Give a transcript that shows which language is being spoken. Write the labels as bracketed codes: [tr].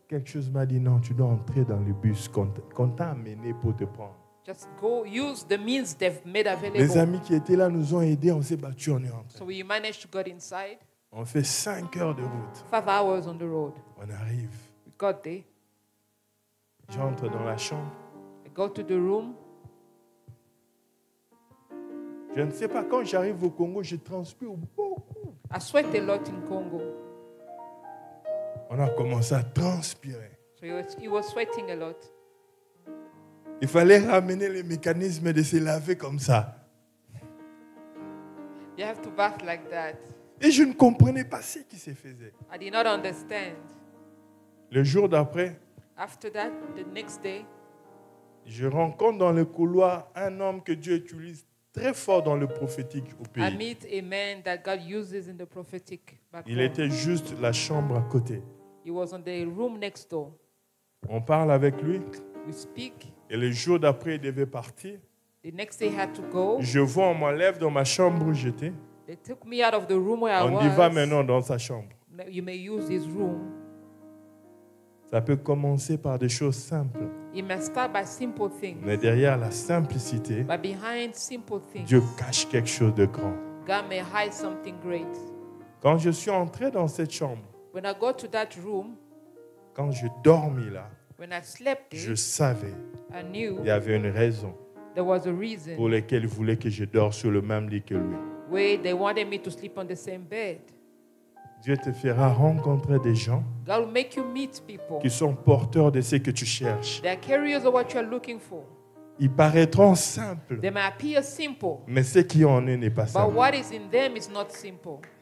[fr] Quelque chose m'a dit non, tu dois entrer dans le bus qu'on t'a amené pour te prendre. [en] Just go, use the means they've made available. [fr] Les amis qui étaient là nous ont aidés, on s'est battu, on est rentré. [en] So we managed to get inside. [fr] On fait 5 heures de route. [en] 5 hours on the road. [fr] On arrive. [en] We got there. [fr] J'entre dans la chambre. [en] I go to the room. [fr] Je ne sais pas quand j'arrive au Congo, je transpire beaucoup. [en] I sweat a lot in Congo. [fr] On a commencé à transpirer. [en] So he was sweating a lot. [fr] Il fallait ramener les mécanismes de se laver comme ça. [en] You have to bath like that. [fr] Et je ne comprenais pas ce qui se faisait. [en] I did not understand. [fr] Le jour d'après, [en] after that, the next day, [fr] je rencontre dans le couloir un homme que Dieu utilise très fort dans le prophétique au pays. [en] I meet a man that God uses in the prophetic. [fr] Il était juste la chambre à côté. [en] He was on the room next door. [fr] On parle avec lui. [en] We speak. [fr] Et le jour d'après, il devait partir. [en] The next day he had to go. [fr] Je vois, on m'enlève dans ma chambre où j'étais. [en] They took me out of the room where [fr] on [en] I was. [fr] On y va maintenant dans sa chambre. [en] You may use his room. [fr] Ça peut commencer par des choses simples. [en] It may start by simple things. [fr] Mais derrière la simplicité, [en] but behind simple things, [fr] Dieu cache quelque chose de grand. [en] God may hide something great. [fr] Quand je suis entré dans cette chambre, [en] when I got to that room, [fr] quand je dormis là, [en] when I slept there, [fr] je savais qu'il y avait une raison. [en] There was a reason [fr] pour lequel il voulait que je dors sur le même lit que lui. [en] Where they wanted me to sleep on the same bed. [fr] Dieu te fera rencontrer des gens [en] God will make you meet people [fr] qui sont porteurs de ce que tu cherches. [en] They are curious of what you are looking for. [fr] Ils paraîtront simples. [en] They may appear simple. [fr] Mais ce qui en est n'est pas [en] but [fr] simple. [en] But what is in them is not simple.